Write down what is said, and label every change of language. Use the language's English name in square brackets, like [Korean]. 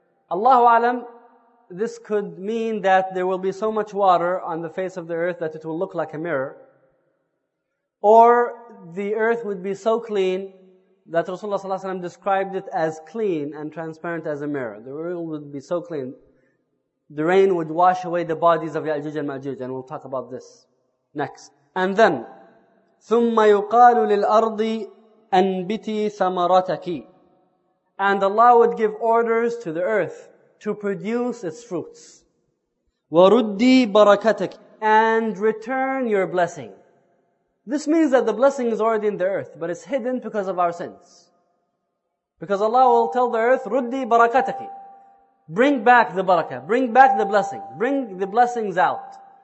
[English] Allahu alam, this could mean that there will be so much water on the face of the earth that it will look like a mirror. Or the earth would be so clean that Rasulullah ﷺ described it as clean and transparent as a mirror. The world would be so clean. The rain would wash away the bodies of Ya'juj and Ma'juj, and we'll talk about this next. And then, [Arabic] ثُمَّ يُقَالُ لِلْأَرْضِ أَنْبِتِي ثَمَرَتَكِ. [English] And Allah would give orders to the earth to produce its fruits. [Arabic] وَرُدِّي بَرَكَتَكِ. [English] And return your blessing. This means that the blessing is already in the earth, but it's hidden because of our sins. Because Allah will tell the earth, [Arabic] رُدِّي بَرَكَتَكِ. [English] Bring back the barakah, bring back the blessing, bring the blessings out.